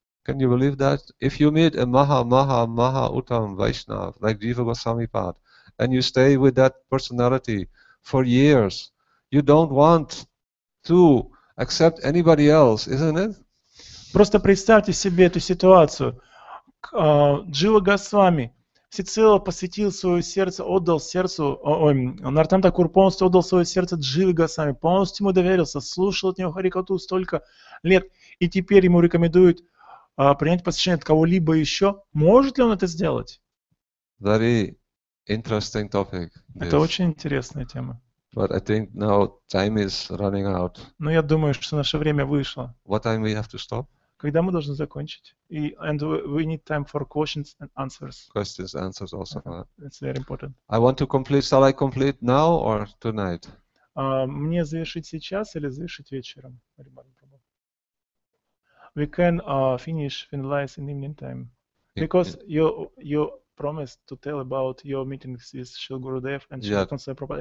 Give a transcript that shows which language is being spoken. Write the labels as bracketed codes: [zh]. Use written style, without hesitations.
[en] Can you believe that? If you meet a maha uttam Vaishnav, like Jiva Goswami Pad, and you stay with that personality for years, you don't want to accept anybody else, isn't it? [ru] Просто представьте себе эту ситуацию. Джива Госвами всецело посвятил свое сердце, отдал сердцу, Нартам Такур полностью отдал свое сердце Дживе Госвами, полностью ему доверился, слушал от него Харикату столько лет, и теперь ему рекомендуют принять посвящение от кого-либо еще. Может ли он это сделать? [en] Very interesting topic. [ru] Это очень интересная тема. [en] But I think now time is running out. [ru] Но я думаю, что наше время вышло. [en] What time we have to stop? [ru] Когда мы должны закончить? [en] И and we need time for questions and answers. Questions and answers also. It's very important. I want to complete. Shall I complete now or tonight? [ru] Мне завершить сейчас или завершить вечером? [en] we can finish, finalize in evening time. Because you promised to tell about your meetings with Shri Gurudev and Shri Konsai Prabhupada.